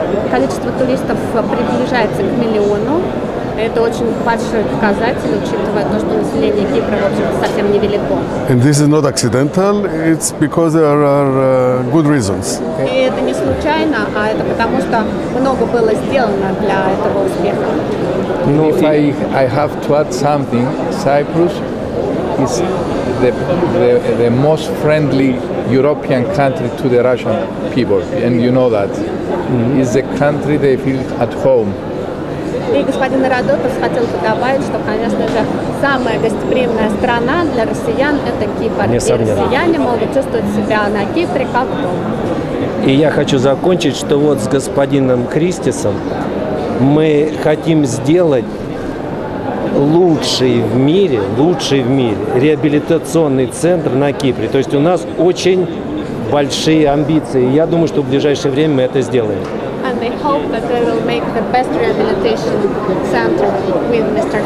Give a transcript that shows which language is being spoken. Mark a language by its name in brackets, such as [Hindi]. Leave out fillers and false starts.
[Russian] Количество туристов приближается к 1 миллиону. Это очень большой показатель, учитывая то, что население Кипра, в общем, совсем невелико. [English] And this is not accidental, it's because there are good reasons. [Russian] И это не случайно, а это потому, что много было сделано для этого успеха. [English] Ну, I have to add something. Cyprus is the most friendly European country to the Russian people, and you know that. Mm-hmm. It's the country they feel at home. [Russian] И господин Радотов хотел бы добавить, что, конечно же, самая гостеприимная страна для россиян – это Кипр. Несомненно. И россияне могут чувствовать себя на Кипре как дома. И я хочу закончить, что вот с господином Христисом мы хотим сделать лучший в мире реабилитационный центр на Кипре. То есть у нас очень большие амбиции. Я думаю, что в ближайшее время мы это сделаем. [English] And they hope that they will make the best rehabilitation center with Mr.